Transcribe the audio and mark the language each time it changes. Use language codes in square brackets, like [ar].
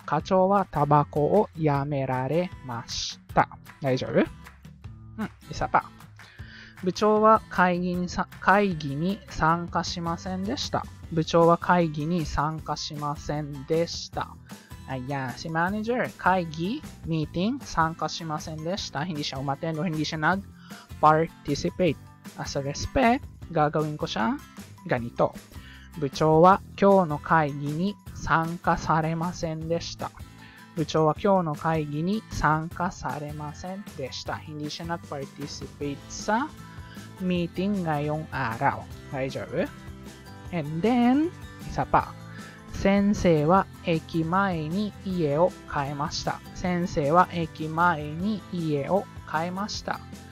[ja] 課長はタバコをやめられました。大丈夫、いさぱ。部長は会議に参加しませんでした。部長は会議に参加しませんでした。 [tl] Ayan, si manager, 会議、meeting, [ja] 参加しませんでした。 [tl] Hindi siya umatend, hindi siya nag-participate. [en] As a respect, [tl] gagawin ko siya ganito. [ja] 部長は今日の会議に参加されませんでした。部長は今日の会議に参加されませんでした。 [tl] Hindi siya nag-participate sa meeting ngayong araw. 大丈夫? [en] And then, [tl] isa pa. [ja] 先生は駅前に家を買いました。先生は駅前に家を買いました。